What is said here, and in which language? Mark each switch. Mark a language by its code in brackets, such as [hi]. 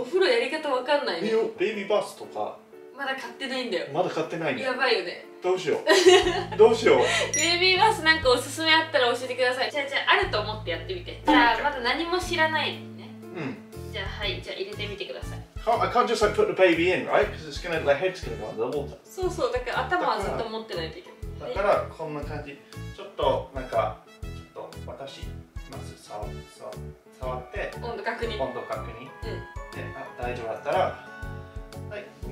[ja] お風呂やり方わかんないね。ベビーバスとか。まだ買ってないんだよ。まだ買ってないね。やばいよね。どうしよう。どうしよう。ベビーバスなんかおすすめあったら教えてください。じゃあ、じゃあ、あると思ってやってみて。じゃあ、まだ何も知らないね。うん。じゃあ、はい。じゃあ、入れてみてください。 [en] I can't just like put the baby in, right? Because it's gonna, the head's gonna go under the water. [ja] そうそう、だから頭はずっと持ってないといけない。だからこんな感じ、ちょっとなんかちょっと私まず触って温度確認。温度確認。うん。で、あ、大丈夫だったら、はい。